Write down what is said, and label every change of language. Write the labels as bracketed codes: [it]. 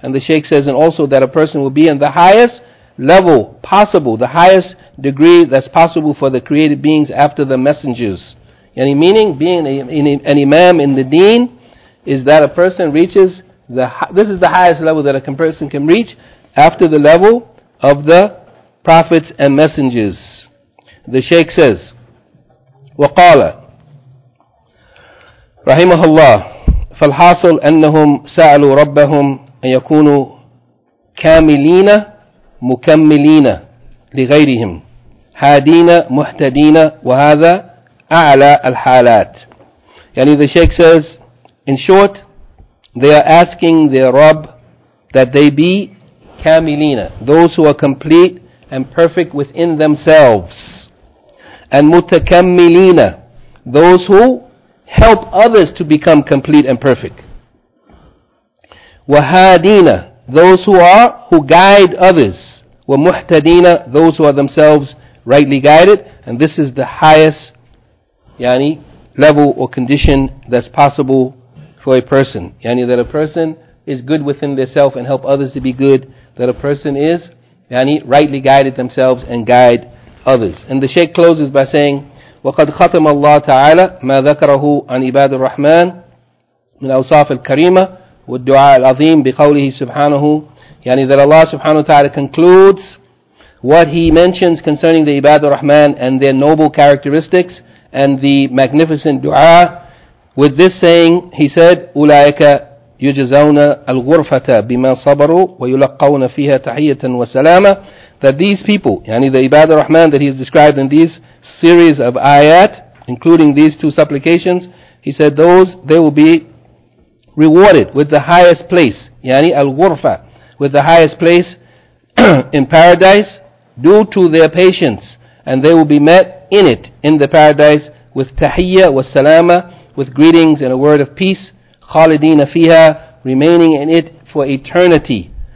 [en] And the Shaykh says, and also that a person will be in the highest level possible, the highest degree that's possible for the created beings after the messengers. Any meaning, being an imam in the deen, is that a person reaches this is the highest level that a person can reach after the level of the prophets and messengers. The Shaykh says, [ar] وَقَالَ رَحِمَهُ اللَّهُ فالحاصل أنهم سألوا ربهم أن يكونوا كاملين مكملين لغيرهم هادين مهتدين وهذا أعلى الحالات. [en] يعني the Shaykh says, in short, they are asking their Rabb that they be كاملين, those who are complete and perfect within themselves, and متكملين, those who help others to become complete and perfect. وَهَادِينَ, those who are, who guide others. وَمُحْتَدِينَ, those who are themselves rightly guided. And this is the highest, yani, level or condition that's possible for a person. Yani, that a person is good within themselves and help others to be good. That a person is, yani, rightly guided themselves and guide others. And the Shaykh closes by saying, [ar] وَقَدْ خَتَمَ اللَّهُ تَعَالَى مَا ذَكَرَهُ عَنْ عِبَادِ الرَّحْمَنِ مِنْ أَوْصَافِ الْكَرِيمَةِ وَالدُّعَاءِ الْعَظِيمِ بِقَوْلِهِ سُبْحَانَهُ. [en] Yani, that Allah subhanahu wa ta'ala concludes what He mentions concerning the Ibad al-Rahman and their noble characteristics and the magnificent dua with this saying. He said, [ar] أُولَٰئِكَ يُجَزَوْنَ الْغُرْفَةَ بِمَا صَبَرُوا وَيُلَقَّوْنَ فِيهَا تَحِيَّةً وَسَلَامًا. [en] That these people, yani, the Ibad al-Rahman that He has described in these series of ayat, including these two supplications, he said they will be rewarded with the highest place, yani al-ghurfa, with the highest place in paradise due to their patience, and they will be met in it, in the paradise, with tahiyya wa salama, with greetings and a word of peace, khalidina fiha, remaining in it for eternity.